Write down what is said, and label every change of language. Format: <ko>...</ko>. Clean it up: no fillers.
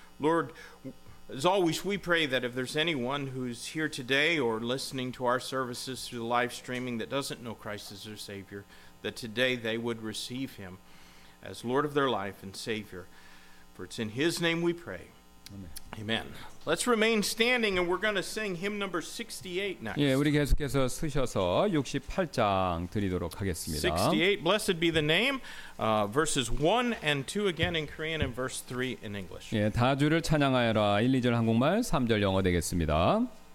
<en>Lord, as always, we pray that if there's anyone who's here today or listening to our services through the live streaming that doesn't know Christ as their Savior, that today they would receive him as Lord of their life and Savior. For it's in his name we pray. Amen. Let's remain standing and we're going to sing hymn number 68 next.</en> <ko>예, 우리 계속해서 쓰셔서 68장 드리도록 하겠습니다.</ko> <en>68, blessed be the name, verses 1 and 2 again in Korean and verse 3 in English.</en> <ko>예, 다 주를 찬양하여라 1, 2절 한국말, 3절 영어 되겠습니다.</ko>